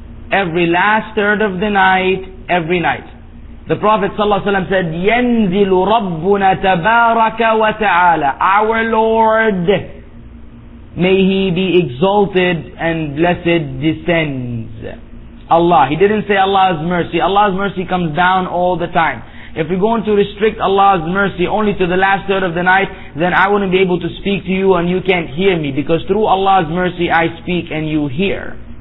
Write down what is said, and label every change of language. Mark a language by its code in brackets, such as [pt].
[en] Every last third of the night, every night. The Prophet ﷺ said, [ar] يَنْزِلُ رَبُّنَا تَبَارَكَ وَتَعَالَى. [en] Our Lord, may He be exalted and blessed, descends. Allah. He didn't say Allah's mercy. Allah's mercy comes down all the time. If we're going to restrict Allah's mercy only to the last third of the night, then I wouldn't be able to speak to you and you can't hear me, because through Allah's mercy I speak and you hear.